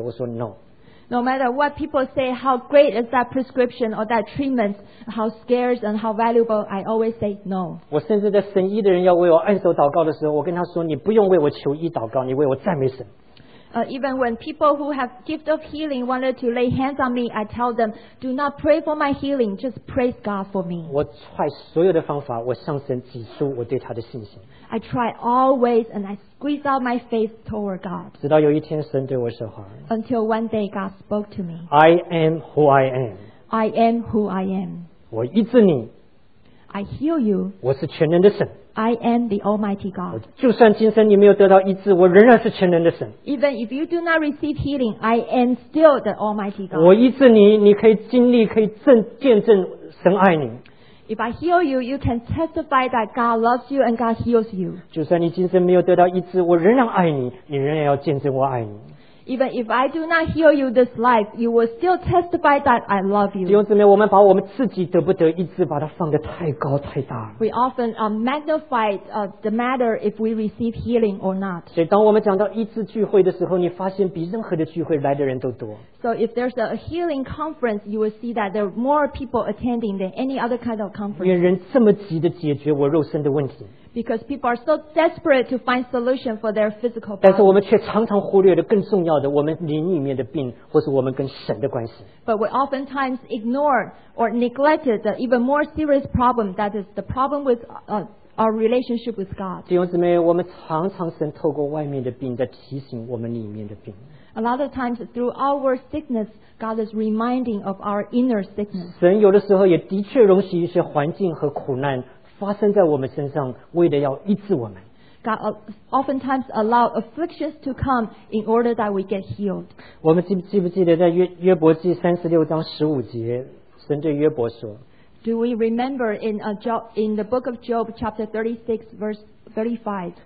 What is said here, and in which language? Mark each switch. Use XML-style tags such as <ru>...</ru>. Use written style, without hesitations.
<zh>我说 no。</zh> <en>No matter what people say, how great is that prescription or that treatment, how scarce and how valuable, I always say no.</en> <zh>我甚至在神医的人要为我按手祷告的时候，我跟他说，你不用为我求医祷告，你为我赞美神。</zh> <en>Even when people who have gift of healing wanted to lay hands on me, I tell them, do not pray for my healing, just praise God for me.</en> <zh>我 try 所有的方法，我向神指出我对他的信心。</zh> <en>I try all ways and I squeeze out my faith toward God.</en> <zh>直到有一天神对我说话。</zh> <en>Until one day God spoke to me. I am who I am. I am who I am.</en> <zh>我医治你。</zh> <en>I heal you.</en> <zh>我是全能的神。</zh> <en>I am the Almighty God.</en> <zh>就算今生你没有得到医治，我仍然是全能的神。</zh> <en>Even if you do not receive healing, I am still the Almighty God.</en> <zh>我医治你，你可以经历，可以见证神爱你。</zh> <en>If I heal you, you can testify that God loves you and God heals you.</en> <zh>就算你今生没有得到医治，我仍然爱你，你仍然要见证我爱你。</zh> <en>Even if I do not heal you this life, you will still testify that I love you.</en> <zh>弟兄姊妹，我们把我们自己得不得医治，把它放得太高太大。</zh> <en>We often magnify the matter if we receive healing or not.</en> <zh>所以当我们讲到医治聚会的时候，你发现比任何的聚会来的人都多。</zh> <en>So if there's a healing conference, you will see that there are more people attending than any other kind of conference.</en> <zh>因为人这么急的解决我肉身的问题。</zh> <en>Because people are so desperate to find solution for their physical body.</en> <zh>但是我们却常常忽略了更重要的，我们灵里面的病，或是我们跟神的关系。</zh> <en>But we oftentimes ignore or neglected the even more serious problem, that is the problem with our relationship with God.</en> <zh>弟兄姊妹，我们常常神透过外面的病在提醒我们里面的病。</zh> <en>A lot of times through our sickness, God is reminding of our inner sickness.</en> <zh>神有的时候也的确容许一些环境和苦难发生在我们身上，为了要医治我们。</zh> <en>God oftentimes allow afflictions to come in order that we get healed.</en> <zh>我们记不记得在约伯记三十六章十五节，神对约伯说</zh> <en>？Do we remember in the book of Job, chapter 36, verse 35?</en>